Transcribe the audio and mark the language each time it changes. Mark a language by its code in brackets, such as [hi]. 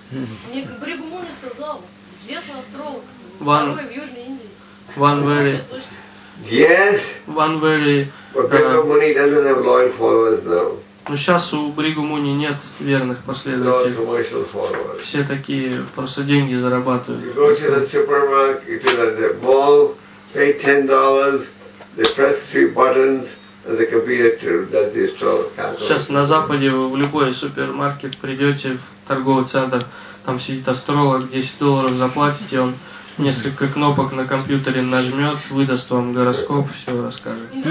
[ru] Мне Бригу Муни сказал, известный астролог, второй в Южной Индии. [en] One very. Yes. One very. But Бригу Муни doesn't have loyal followers though. [ru] Но сейчас у Бригу Муни нет верных последователей. [en] No commercial followers. [ru] Все такие просто деньги зарабатывают. [en] You go to the supermarket, you go to the mall, pay $10, they press 3 buttons. The computer does the astrology. [ru] Сейчас на Западе вы в любой супермаркет придете в торговый центр, там сидит астролог, $10 заплатите, он несколько кнопок на компьютере нажмет, выдаст вам гороскоп, все расскажет.